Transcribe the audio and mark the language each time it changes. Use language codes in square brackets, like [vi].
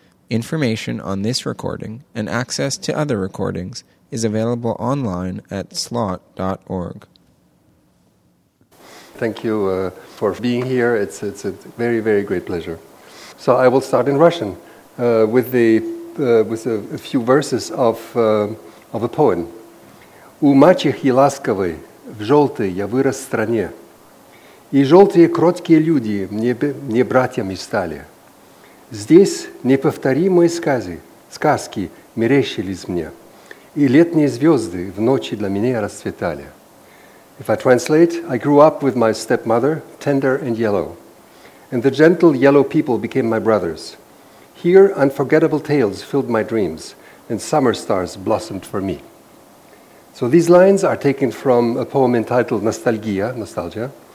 [en] Information on this recording and access to other recordings is available online at slot.org. Thank you for being here. It's a very, very great pleasure. So I will start in Russian with a few verses of a poem. [ru] У мачехи ласковой в желтой я вырос стране, и желтые кроткие люди мне братьями стали. Здесь неповторимые сказки мерещились мне, и летние звезды в ночи для меня расцветали. [en] If I translate, I grew up with my stepmother, tender and yellow, and the gentle yellow people became my brothers. Here, unforgettable tales filled my dreams, and summer stars blossomed for me. So these lines are taken from a poem entitled Nostalgia.